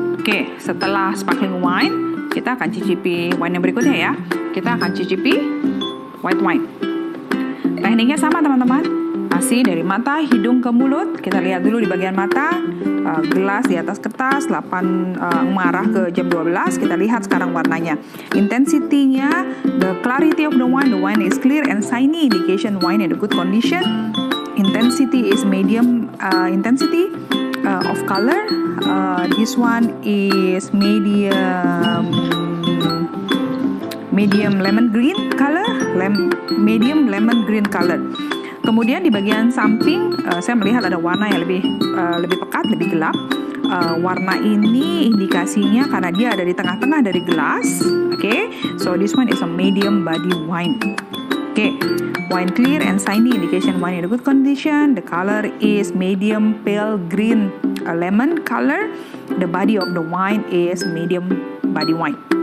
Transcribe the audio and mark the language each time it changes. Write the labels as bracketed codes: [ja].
[id] Oke, setelah sparkling wine, kita akan cicipi wine yang berikutnya ya. Kita akan cicipi white wine. Tekniknya sama teman-teman. Masih dari mata, hidung ke mulut. Kita lihat dulu di bagian mata. Gelas di atas kertas, 8 marah ke jam 12. Kita lihat sekarang warnanya. [en] Intensitinya, the clarity of the wine is clear and shiny, indication wine in a good condition. Intensity is medium intensity of color. This one is medium lemon green color. Medium lemon green color. [id] Kemudian di bagian samping, saya melihat ada warna yang lebih pekat, lebih gelap. Warna ini indikasinya karena dia ada di tengah-tengah dari gelas. Oke, okay. [en] So this one is a medium body wine. Oke, okay. Wine clear and shiny, indication wine in a good condition. The color is medium pale green lemon color. The body of the wine is medium body wine.